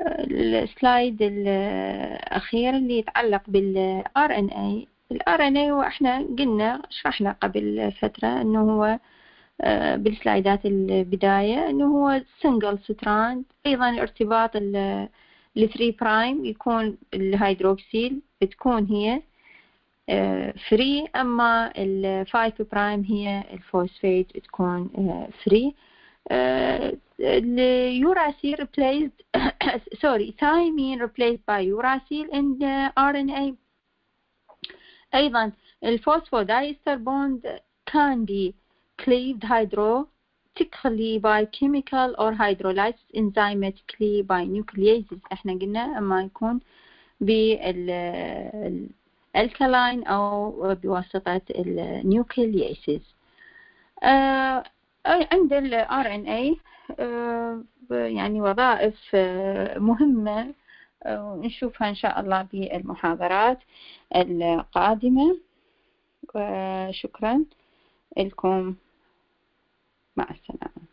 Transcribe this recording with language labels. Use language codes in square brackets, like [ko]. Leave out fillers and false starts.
[ar] السلايد الاخير اللي يتعلق بالار ان اي، الار ان اي واحنا قلنا شرحنا قبل فتره انه هو بالسلايدات البدايه انه هو سنجل ستراند، ايضا ارتباط ال 3 برايم يكون الهيدروكسيل بتكون هي فري، اما ال 5 برايم هي الفوسفيت بتكون فري. [en] اليوراسيل replaced sorry thymine replaced by uracil and RNA. [ar] أيضا الفوسفودايستر [en] bond can be cleaved hydroxylically by chemical or hydrolysis enzymatically by nucleases. [ar] إحنا قلنا أما يكون بالالكالين أو بواسطة النيوكلياسز. عند ال RNA يعني وظائف مهمة نشوفها إن شاء الله بالمحاضرات القادمة، وشكرا لكم، مع السلامة.